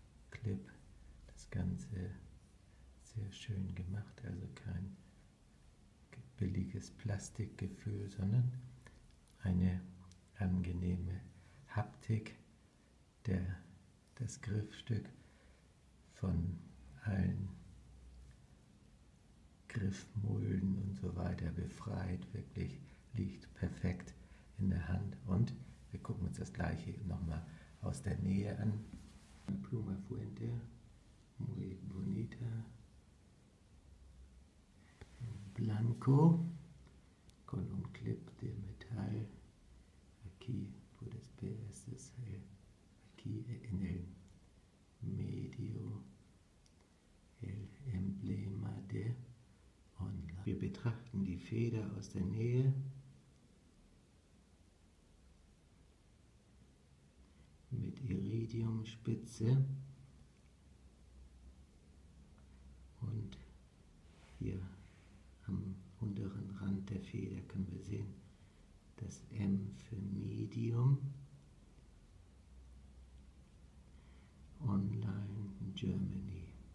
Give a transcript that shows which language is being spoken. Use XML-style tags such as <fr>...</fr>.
<de>Clip, das Ganze sehr schön gemacht, also kein billiges Plastikgefühl, sondern eine angenehme Haptik, das Griffstück von allen Griffmulden und so weiter befreit, wirklich liegt perfekt in der Hand. Und wir gucken uns das Gleiche nochmal aus der Nähe an.</de> <es>Una pluma fuente, muy bonita, blanco, con un clip de metal, aquí puedes ver, este es el, aquí en el medio, el emblema de Online.</es> <de>Wir betrachten die Feder aus der Nähe. Mit Iridiumspitze und hier am unteren Rand der Feder können wir sehen, das M für Medium, Online Germany.</de>